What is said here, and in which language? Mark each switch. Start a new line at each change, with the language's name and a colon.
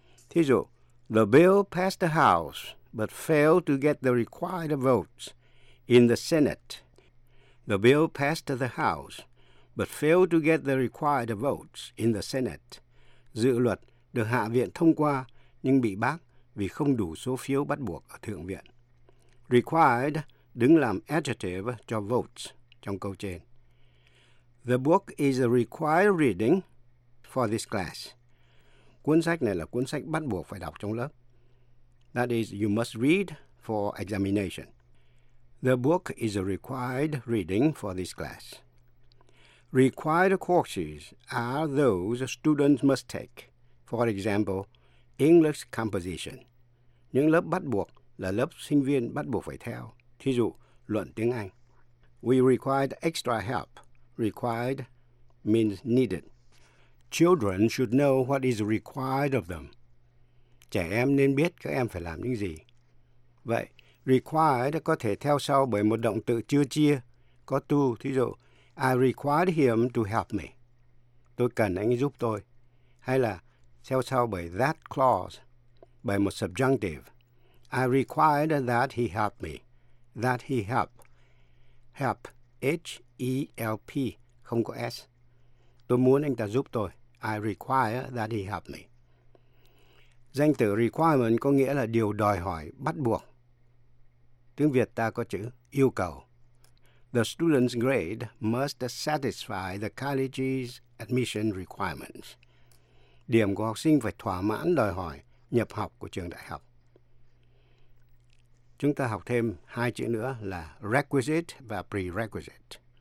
Vietnamese: Thí dụ,
English: the bill passed the House but failed to get the required votes in the Senate. The bill passed the House but failed to get the required votes in the Senate.
Vietnamese: Dự luật được Hạ viện thông qua nhưng bị bác vì không đủ số phiếu bắt buộc ở Thượng viện. Required đứng làm adjective cho votes trong câu trên.
English: The book is a required reading for this class.
Vietnamese: Cuốn sách này là cuốn sách bắt buộc phải đọc trong lớp.
English: That is, you must read for examination. The book is a required reading for this class. Required courses are those students must take. For example, English composition.
Vietnamese: Những lớp bắt buộc là lớp sinh viên bắt buộc phải theo. Thí dụ, luận tiếng Anh.
English: We required extra help. Required means needed. Children should know what is required of them.
Vietnamese: Trẻ em nên biết các em phải làm những gì. Vậy, required có thể theo sau bởi một động từ chưa chia, có to. Thí dụ,
English: I required him to help me.
Vietnamese: Tôi cần anh giúp tôi. Hay là theo sau bởi that clause, bởi một subjunctive.
English: I required that he help me. That he help.
Vietnamese: Help, H-E-L-P, không có S. Tôi muốn anh ta giúp tôi.
English: I require that he help me.
Vietnamese: Danh từ requirement có nghĩa là điều đòi hỏi, bắt buộc. Tiếng Việt ta có chữ yêu cầu.
English: The student's grade must satisfy the college's admission requirements.
Vietnamese: Điểm của học sinh phải thỏa mãn đòi hỏi nhập học của trường đại học. Chúng ta học thêm hai chữ nữa là requisite và prerequisite.